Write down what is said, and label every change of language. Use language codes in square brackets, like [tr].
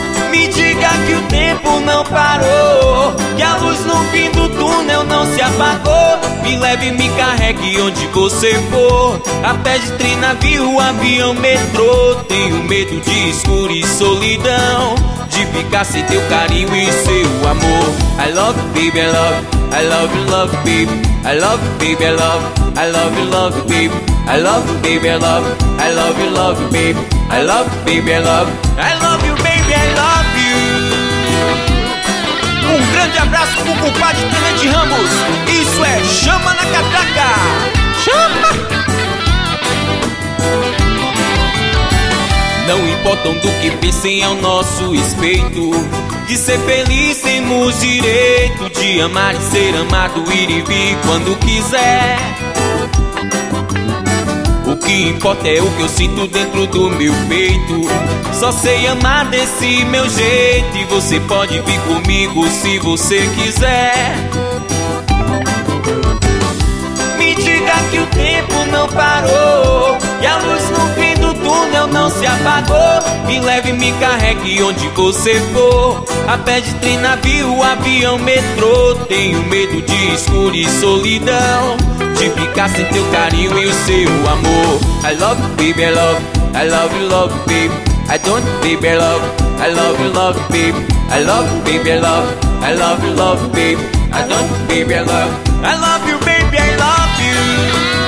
[pt] Me diga que o tempo não parou, que a luz no fim do túnel não se apagou. Me leve, me carregue onde você for, a pé de trem, navio, avião, metrô. Tenho medo de escuro e solidão, de ficar sem teu carinho e seu amor. [en] I love you, baby, I love you, love you, baby. I love you, baby, I love you, love you, baby. I love you, baby, I love you, love you, baby. I love you, baby, I love you, baby, I love you. [pt] Um grande abraço pro compadre Tenente Ramos. Isso é Chama na Catraca. Chama. Não importam do que pensem ao nosso respeito, de ser feliz temos direito, de amar e ser amado, ir e vir quando quiser. O que importa é o que eu sinto dentro do meu peito, só sei amar desse meu jeito, e você pode vir comigo se você quiser. Me diga que o tempo não parou, e a luz no fim do túnel não se apagou. Me leve, me carregue onde você for, a pé de trem, navio, avião, metrô. Tenho medo de escuro e solidão, de ficar sem teu carinho e o seu amor. [en] I love you, baby, I love you, love you, baby. I don't, baby, I love you, love you, baby. I love you, baby, I love you, love you, baby. I don't, baby, I love you, baby, I love you.